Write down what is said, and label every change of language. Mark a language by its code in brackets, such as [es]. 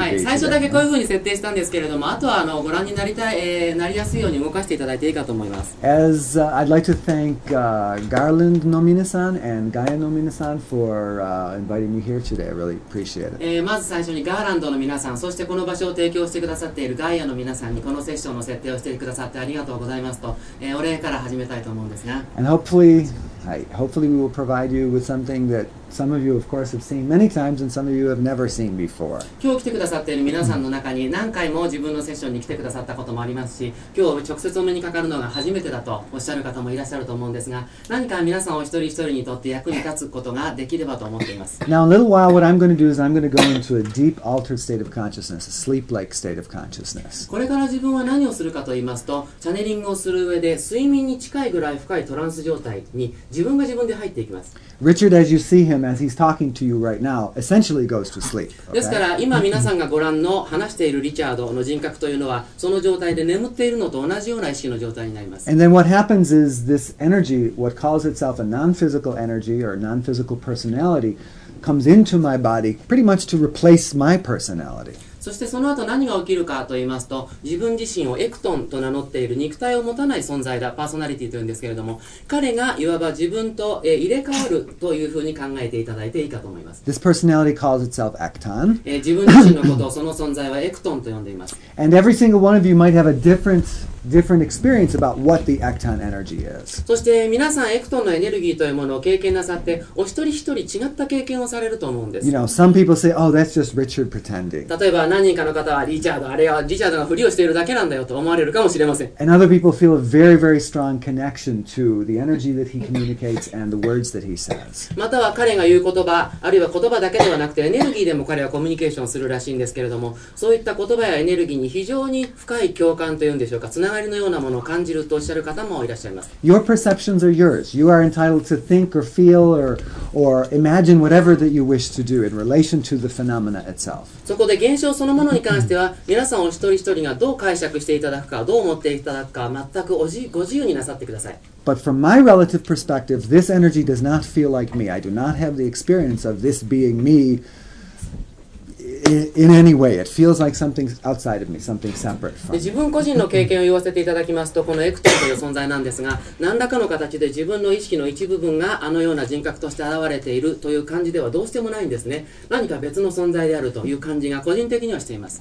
[ja] はい、最初だけこういうふうに設定したんですけれども、あとはあのご覧になりたい、なりやすいように動かしていただいていいかと思います。 [en] As I'd like to thank Garland [ja] の皆さん [en] and Gaia の皆さん for inviting me here today. I really appreciate it. [ja] まず最初にガーランドの皆さん、そしてこの場所を提供してくださっているガイアの皆さんにこのセッションの設定をしてくださってありがとうございますと、お礼から始めたいと思うんですが。 [en] And hopefully, hopefully we will provide you with something that some of you, of course, have seen many times and some of you have never seen before. [ja] 今日来てくださっている皆さんの中に何回も自分のセッションに来てくださったこともありますし、今日直接お目にかかるのが初めてだとおっしゃる方もいらっしゃると思うんですが、何か皆さんお一人一人にとって役に立つことができればと思っています。 [en] Now, in a little while, what I'm going to do is I'm going to go into a deep altered state of consciousness, a sleep-like state of consciousness. [ja] これから自分は何をするかと言いますと、チャネリングをする上で睡眠に近いぐらい深いトランス状態に自分が自分で入っていきます。 [en] Richard, as you see him, as he's talking to you right now, essentially goes to sleep. Okay? [ja] ですから今皆さんがご覧の話しているリチャードの人格というのはその状態で眠っているのと同じような意識の状態になります。 [en] And then what happens is this energy, what calls itself a non-physical energy or non-physical personality, comes into my body pretty much to replace my personality. [ja] そしてその後何が起きるかと言いますと、自分自身をエクトンと名乗っている肉体を持たない存在だ、パーソナリティというんですけれども、彼がいわば自分と入れ替わるというふうに考えていただいていいかと思います。 [en] This personality calls itself Ekton. [ja] 自分自身のことをその存在はエクトンと呼んでいます。 [en] And every single one of you might have a different experience about what the Ekton energy is. [ja] そして皆さんエクトンのエネルギーというものを経験なさって、お一人一人違った経験をされると思うんです。 [en] You know, some people say, oh, that's just Richard pretending. [ja] 例えば何人かの方はリチャード、あれはリチャードのふりをしているだけなんだよと思われるかもしれません。 [en] And other people feel a very, very strong connection to the energy that he communicates and the words that he says. [ja] または彼が言う言葉、あるいは言葉だけではなくてエネルギーでも彼はコミュニケーションするらしいんですけれども、そういった言葉やエネルギーに非常に深い共感というんでしょうか。つながりのようなものを感じるとおっしゃる方もいらっしゃいます。 [en] Your perceptions are yours. You are entitled to think or feel or imagine whatever that you wish to do in relation to the phenomena itself. [ja] そこで現象そのものに関しては、皆さんお一人一人がどう解釈していただくか、どう思っていただくか、全くご自由になさってください。 [en] But from my relative perspective, this energy does not feel like me. I do not have the experience of this being me. In any way, it feels like something outside of me, something separate from me. [ja] 自分個人の経験を言わせていただきますと、このエクトンという存在なんですが、何らかの形で自分の意識の一部分があのような人格として現れているという感じではどうしてもないんですね。何か別の存在であるという感じが個人的にはしています。